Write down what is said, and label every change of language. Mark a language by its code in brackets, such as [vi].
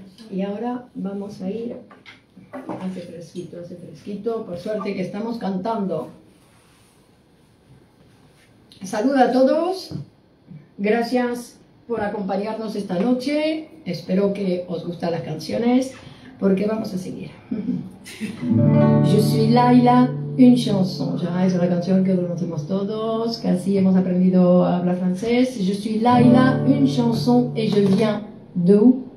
[es] Y ahora vamos a ir. Hace fresquito. Por suerte que estamos cantando. Saluda a todos. Gracias por acompañarnos esta noche. Espero que os gusten las canciones, porque vamos a seguir. [fr] Je suis Laila, une chanson. [es] Ya es una canción que conocemos todos. Casi hemos aprendido a hablar francés. [fr] Je suis Laila, une chanson, et je viens de où?